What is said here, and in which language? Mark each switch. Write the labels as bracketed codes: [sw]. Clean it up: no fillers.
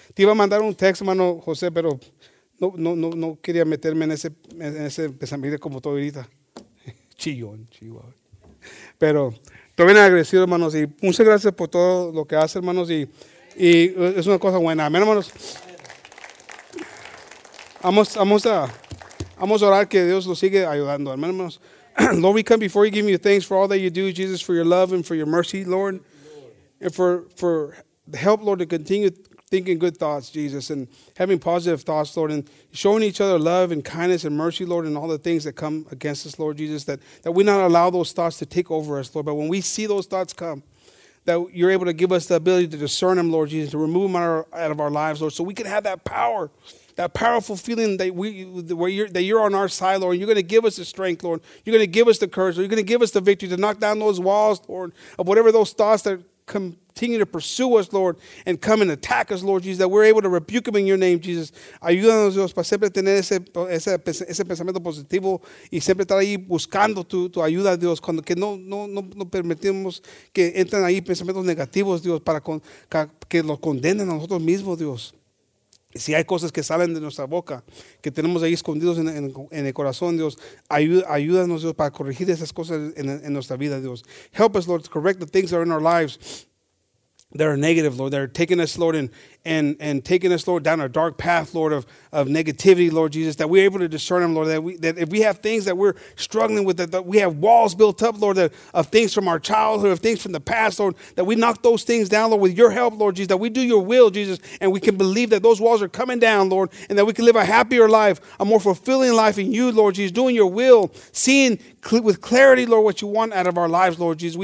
[es] Te iba a mandar un texto, hermano José, pero no quería meterme en ese pensamiento como todo ahorita. Chillón. Pero estoy bien agradecido, hermanos, y muchas gracias por todo lo que hace, hermanos, y es una cosa buena. Amén, hermanos. Vamos a orar que Dios lo sigue ayudando. Amen, hermanos. [en] Lord, we come before you, give you thanks for all that you do, Jesus, for your love and for your mercy, Lord. And for the help, Lord, to continue thinking good thoughts, Jesus, and having positive thoughts, Lord, and showing each other love and kindness and mercy, Lord, and all the things that come against us, Lord Jesus, that we not allow those thoughts to take over us, Lord. But when we see those thoughts come, that you're able to give us the ability to discern them, Lord Jesus, to remove them out of our lives, Lord, so we can have that power, that powerful feeling that you're on our side, Lord. And you're going to give us the strength, Lord. You're going to give us the courage, Lord. You're going to give us the victory to knock down those walls, Lord, of whatever those thoughts that continue to pursue us, Lord, and come and attack us, Lord Jesus, that we're able to rebuke them in your name, Jesus. [es] Ayúdanos, Dios, para siempre tener ese pensamiento positivo y siempre estar ahí buscando tu ayuda, Dios, cuando que no permitimos que entren ahí pensamientos negativos, Dios, para que los condenen a nosotros mismos, Dios. Si hay cosas que salen de nuestra boca, que tenemos ahí escondidos en el corazón, Dios, ayúdanos, Dios, para corregir esas cosas en nuestra vida, Dios. [en] Help us, Lord, to correct the things that are in our lives that are negative, Lord. They're taking us, Lord, and taking us, Lord, down a dark path, Lord, of negativity, Lord Jesus, that we're able to discern them, Lord, that if we have things that we're struggling with, that we have walls built up, Lord, that of things from our childhood, of things from the past, Lord, that we knock those things down, Lord, with your help, Lord Jesus, that we do your will, Jesus, and we can believe that those walls are coming down, Lord, and that we can live a happier life, a more fulfilling life in you, Lord Jesus, doing your will, seeing with clarity, Lord, what you want out of our lives, Lord Jesus.